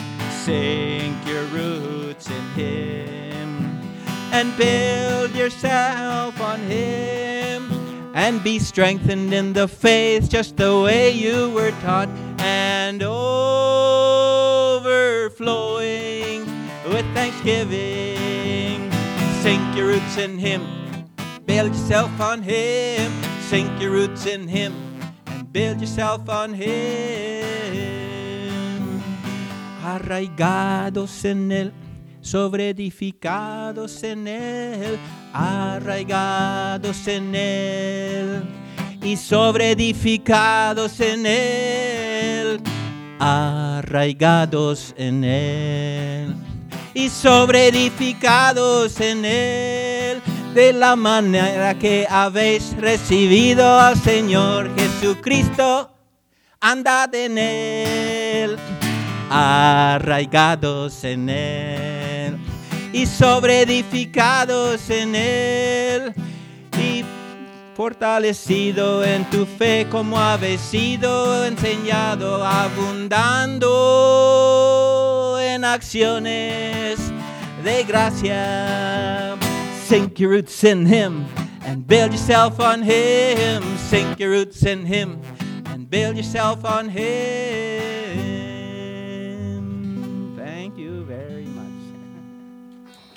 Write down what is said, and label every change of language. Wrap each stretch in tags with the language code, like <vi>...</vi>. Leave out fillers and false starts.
<en>Sink your roots in him, and build yourself on him, and be strengthened in the faith just the way you were taught, and overflowing with thanksgiving. Sink your roots in him, build yourself on him. Sink your roots in him and build yourself on him.</en> <es>Arraigados en él, sobre edificados en él, arraigados en él, y sobre edificados en él, arraigados en él, y sobre edificados en él, de la manera que habéis recibido al Señor Jesucristo, andad en él, arraigados en él, y sobre edificados en él, y fortalecido en tu fe como habéis sido enseñado, abundando en acciones de gracia.</es> <en>Sink your roots in him and build yourself on him. Sink your roots in him and build yourself on him. Thank you very much.</en>